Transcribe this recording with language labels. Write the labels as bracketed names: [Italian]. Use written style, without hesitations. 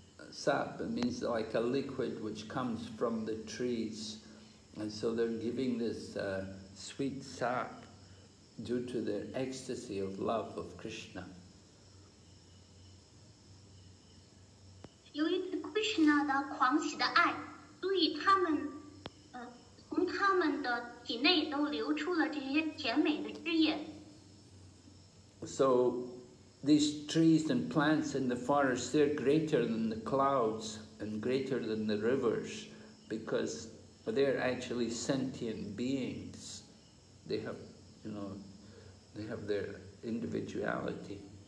[English] Sap it means like a liquid which comes from the trees, and so they're giving this sweet sap. Due to their ecstasy of love of Krishna. [Chinese] 由于对 Krishna 的狂喜的爱，所以他们，从他们的体内都流出了这些甜美的汁液。 [English] So, these trees and plants in the forest, they're greater than the clouds and greater than the rivers. because they're actually sentient beings. They have, you know, they have their individuality.